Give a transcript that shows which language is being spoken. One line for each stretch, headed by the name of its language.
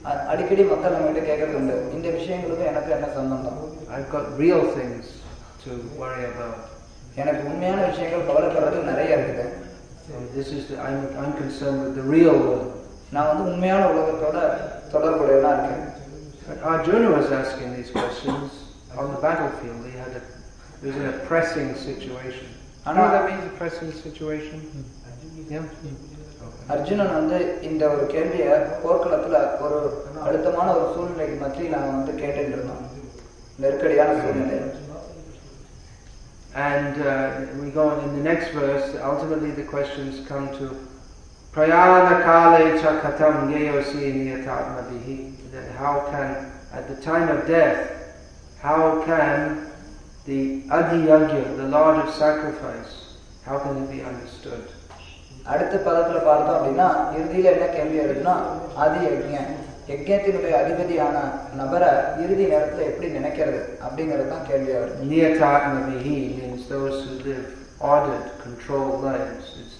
Tamil: அடிக்கடி மக்கள் நம்மகிட்ட கேட்கறது, இந்த விஷயங்களுக்கு எனக்கு என்ன சம்பந்தம்?
English: I've got real things to worry about.
Tamil: எனக்கு உண்மையான விஷயங்கள் கவலைப்படுறது நிறைய இருக்குது.
English: I'm concerned with the real world.
Tamil: நான் வந்து உண்மையான உலகத்தோட தொடர்புடையவனா இருக்கேன்.
English: Arjuna was asking these questions on the battlefield. He was in a pressing situation. Anna, that means a pressing situation. Yeah.
Tamil: Arjunan வந்து இந்த ஒரு கேள்விய போர்க்களத்துல ஒரு அழுத்தமான ஒரு சூழ்நிலைக்கு மத்தியில் நாங்க வந்து கேட்டு இருந்தோம், நெருக்கடியான சூழ்நிலை.
English: And we go on in the next verse, ultimately the questions come to
Sanskrit: prayana kale cha katam geyosi niyatatma bihi,
English: that how can, at the time of death, how can the adiyagya, the lord of sacrifice, how can it be understood?
Tamil: அடுத்த பதத்துல பார்த்தோம் அப்படின்னா இறுதியில என்ன கேள்வி அப்படின்னா அதி யஜ்யத்தினுடைய அதிபதியான நபரை இறுதி நேரத்தில் எப்படி நினைக்கிறது அப்படிங்கிறது தான் கேள்வியாக இருக்கும்.
Sanskrit: நியதாத்ம விஹி
English: Means those who live ordered control lives.